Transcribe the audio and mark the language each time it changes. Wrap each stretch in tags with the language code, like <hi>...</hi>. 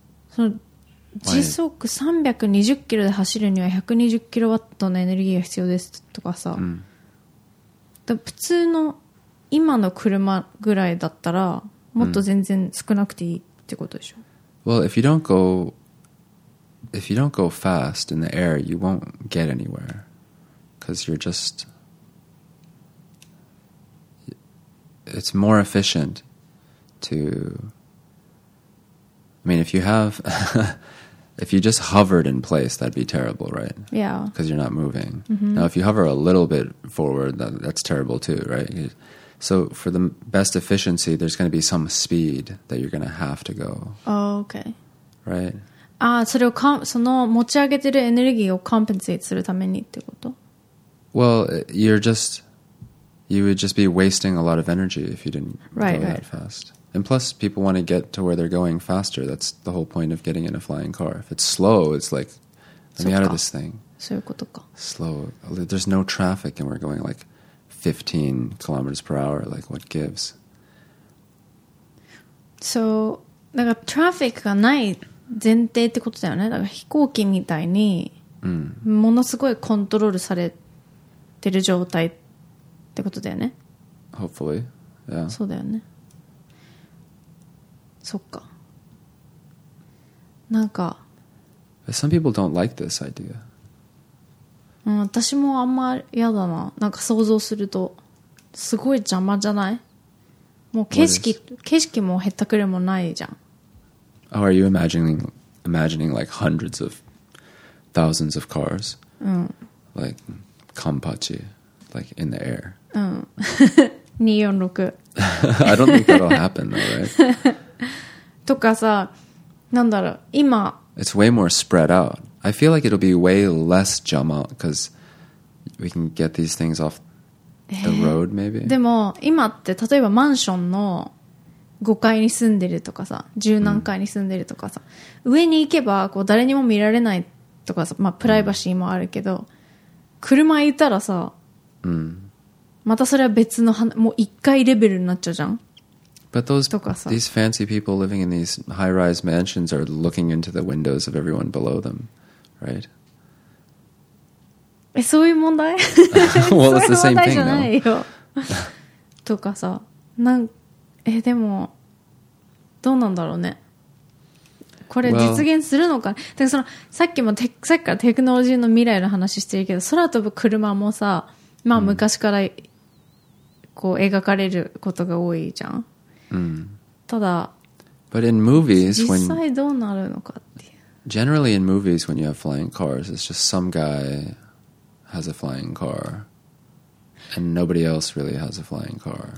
<ja>その時速320キロで走るには120キロワットのエネルギーが必要ですとかさ、うん、だから普通の今の車ぐらいだったらもっと全然少なくていいってことでしょ、うん、</ja> <en>Well, if you don't go if you don't go fast in the air, you won't get anywhere because you're just it's more efficient to I mean, if you have if you just hovered in place, that'd be terrible, right? Yeah. Because you're not moving. Mm-hmm. Now, if you hover a little bit forward, that's terrible too, right? So for the best efficiency, there's going to be some speed that you're going to have to go. Oh, okay. Right?</en> <ja>Ah, それをか、その持ち上げてるエネルギーをコンペンセートするためにってこと?</ja> <en>Well, you're just, you would just be wasting a lot of energy if you didn't right, go that right. fast. And plus, people want to get to where they're going faster. That's the whole point of getting in a flying car. If it's slow, it's like, let me out of this thing.</en> <ja>そういうことか。</ja> <en>Slow. There's no traffic and we're going like 15 kilometers per hour, like what gives?</en> <ja>So, だからトラフィックがない前提ってことだよね。だから飛行機みたいにものすごいコントロールされてる状態ってことだよね。</ja> <en>Hopefully, yeah.</en> <ja>そうだよね。そっか。なんか</ja> <en>Some people don't like this idea.</en> <ja>うん、私もあんま嫌だな。なんか想像するとすごい邪魔じゃない？もう景色もへったくれもないじゃん。</ja> <en>Oh, are you imagining like hundreds of thousands of cars?</en> <ja>うん。</ja> <en>Like Kanpachi, like in the air.</en> <ja>うん。</ja> <en>246. I don't think that'll happen, though, right?</en> <ja>とかさ、なんだろう、今。</ja> <en>It's way more spread out. I feel like it'll be way less jama because we can get these things off the road maybe.</en> <ja>でも今って例えばマンションの5階に住んでるとかさ、十何階に住んでるとかさ、mm. 上に行けばこう誰にも見られないとかさ、まあプライバシーもあるけど、mm. 車いたらさ、 mm. またそれは別のもう1階レベルになっちゃうじゃん。</ja> <en>But those, these fancy people living in these high-rise mansions are looking into the windows of everyone below them, right?</en> <ja>え、そういう問題?</ja> <en>Well, it's the same thing, though.</en> <ja>そういう問題じゃないよ。とかさ、なん、え、でも、どうなんだろうね。これ実現するのか。Well, だからその、さっきもテ、さっきからテクノロジーの未来の話してるけど、空飛ぶ車もさ、まあ昔から、こう、描かれることが多いじゃん。ただ、</ja> <en>But in movies,</en> <ja>実際どうなるのかっていう。</ja> <en>Generally in movies when you have flying cars, it's just some guy has a flying car and nobody else really has a flying car.</en>